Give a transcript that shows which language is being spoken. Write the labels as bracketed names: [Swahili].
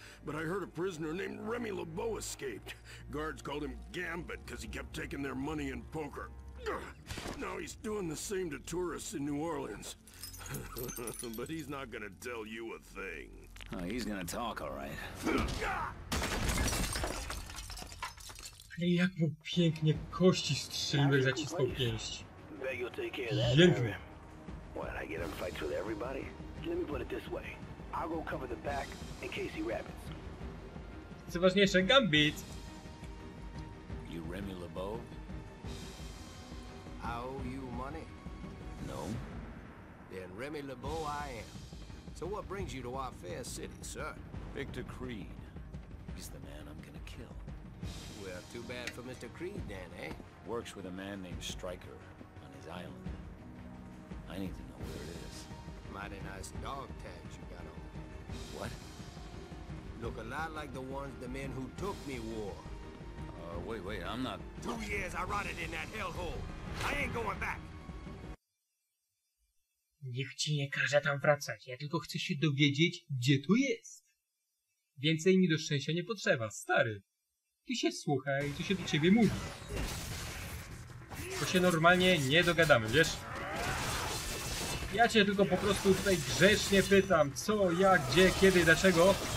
[English] But I heard a prisoner named Remy LeBeau escaped. Guards called him Gambit because he kept taking their money in poker. Now he's doing the same to tourists in New Orleans. But he's not gonna tell you a thing. Oh, he's gonna talk, all right. [Polish] Ale jak mu pięknie kości strzelił, jak zacisnął pięść. Pięknie. [English] What, I get him fights with everybody? Let me put it this way. I'll go cover the back in case he rabbits. [Polish] Co ważniejsze, Gambit. [English] You Remy LeBeau? I owe you money? No. Then Remy LeBeau I am. So what brings you to our fair city, sir? Victor Creed. He's the man I'm gonna kill. Well, too bad for Mr. Creed then, eh? Works with a man named Stryker on his island. I need to know where it is. Mighty nice dog tags you got on. What? Look a lot like the ones the men who took me wore. Wait, I'm not... 2 years I rotted in that hellhole. I ain't going back. [Polish] Niech ci nie każe tam wracać. Ja tylko chcę się dowiedzieć, gdzie tu jest. Więcej mi do szczęścia nie potrzeba, stary. Ty się słuchaj, co się do ciebie mówi. To się normalnie nie dogadamy, wiesz? Ja cię tylko po prostu tutaj grzecznie pytam, co, jak, gdzie, kiedy, dlaczego.